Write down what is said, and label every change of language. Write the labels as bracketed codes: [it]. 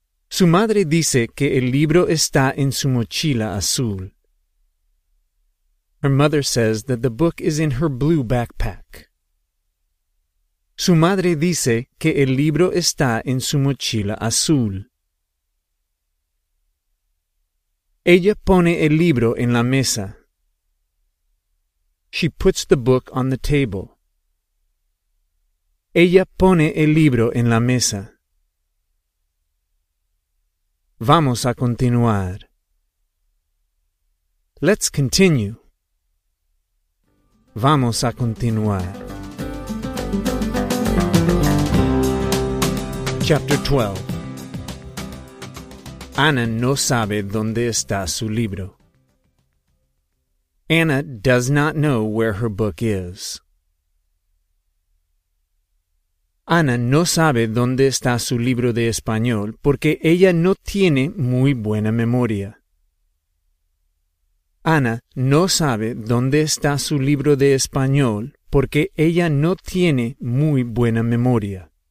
[es] Su madre dice que el libro está en su mochila azul. [en] Her mother says that the book is in her blue backpack. [es] Su madre dice que el libro está en su mochila azul. Ella pone el libro en la mesa. [en] She puts the book on the table. [es] Ella pone el libro en la mesa. Vamos a continuar. [en] Let's continue. [es] Vamos a continuar. [en] Chapter 12. [es] Anna no sabe dónde está su libro. [en] Anna does not know where her book is. [es] Anna no sabe dónde está su libro de español porque ella no tiene muy buena memoria. Anna no sabe dónde está su libro de español porque ella no tiene muy buena memoria.